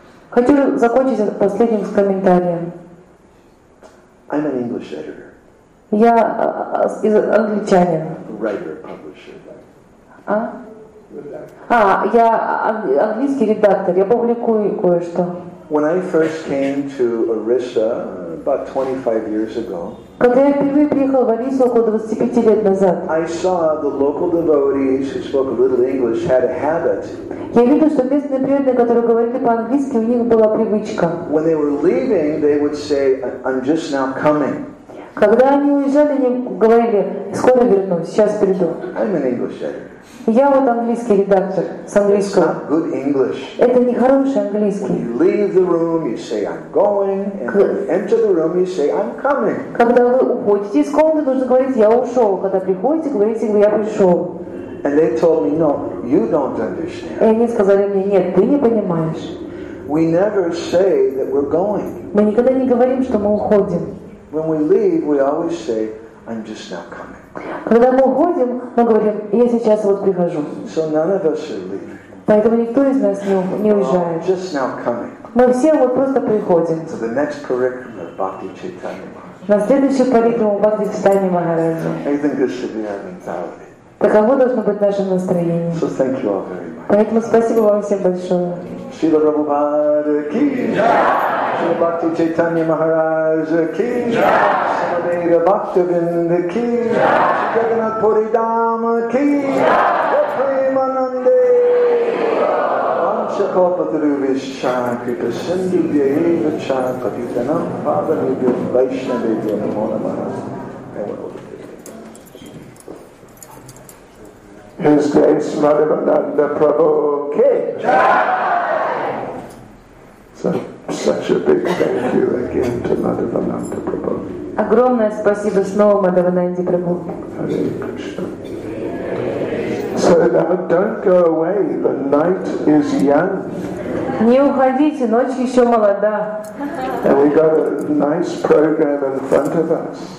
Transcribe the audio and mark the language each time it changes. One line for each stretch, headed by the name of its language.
Russian: Хочу закончить последним комментарием.
English: I'm an English editor.
Russian: Я англичанин.
English: Writer, publisher.
Russian: А? А, я английский редактор, я публикую кое-что.
English: When I first came to Orissa about 25 years ago,
Russian: когда я впервые приехал в Орису около 25 лет назад,
English: I saw the local devotees who spoke a little English had a habit.
Russian: Я видел, что местные преданные, которые говорили по-английски, у них была привычка.
English: When they were leaving, they would say, "I'm just now coming."
Russian: Когда они уезжали, они говорили: "Скоро вернусь, сейчас приду."
English: I'm an English editor.
Russian: Я вот английский редактор с английского.
English: It's not good English.
Russian: Это не хороший английский.
English: When you leave the room, you say, "I'm going," and when you enter the room, you say, "I'm coming."
Russian: Когда вы уходите из комнаты, нужно говорить: "Я ушел." Когда приходите, говорите: "Я пришел."
English: And they told me, "No, you don't understand."
Russian: И они сказали мне: "Нет, ты не понимаешь."
English: We never say that we're going.
Russian: Мы никогда не говорим, что мы уходим.
English: When we leave, we always say, "I'm just now coming."
Russian: Когда мы уходим, мы говорим: "Я сейчас вот прихожу."
English: So none of us are leaving.
Russian: Поэтому никто из нас не уезжает.
English: Oh, just now coming.
Russian: Мы все вот просто приходим.
English: To the next curriculum of Bhakti Chaitanya Mahārāja.
Russian: На следующий парикрама Бхакти Чайтанья Махараджа.
English: I think this should be our mentality.
Russian: Таково должно быть наше настроение.
English: So thank you all very much.
Russian: Поэтому спасибо вам всем большое. Шрила Прабхупада ки джай. Шрила Бхакти Чайтанья Махарадж ки джай. Самадхира Бхактивинда ки джай. Шри Джаганнат Пури Дама ки джай.
Sanskrit: Прапремананде Панчакопатру Вишча Крипа Синдху Дьяйва Ча Патитанам Паданибхьо Вайшнавебхьо Намо Намаха.
English: His Grace Madhavananda Prabhu ki jai! So, such a big thank you again to Madhavananda Prabhu.
Russian: Огромное спасибо снова Мадхавананде Прабху.
English: Hare Krishna. So now don't go away, the night is young.
Russian: Не уходите, ночь еще молода.
English: And we got a nice program in front of us.